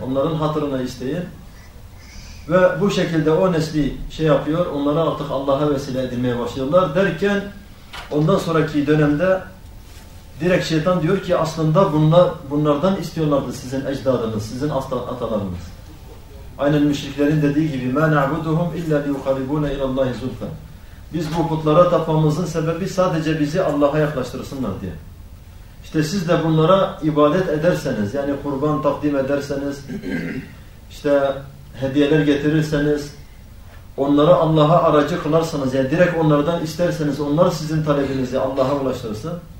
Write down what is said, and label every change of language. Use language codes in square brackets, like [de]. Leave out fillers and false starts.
[tr] Onların hatırını isteyin. Ve bu şekilde o nesli şey yapıyor, onları artık Allah'a vesile edinmeye başlıyorlar derken ondan sonraki dönemde direkt şeytan diyor ki aslında bunlardan istiyorlardı sizin ecdadınız, sizin atalarınız. Aynen müşriklerin dediği gibi [ar] مَا نَعْبُدُهُمْ اِلَّا لِيُقَرِبُونَ اِلَى اللّٰهِ زُلْفًا. [tr] Biz bu putlara tapmamızın sebebi sadece bizi Allah'a yaklaştırsınlar diye. İşte siz de bunlara ibadet ederseniz, yani kurban takdim ederseniz, işte hediyeler getirirseniz, onları Allah'a aracı kılarsanız, yani direkt onlardan isterseniz, onlar sizin talebinizi Allah'a ulaştırsın.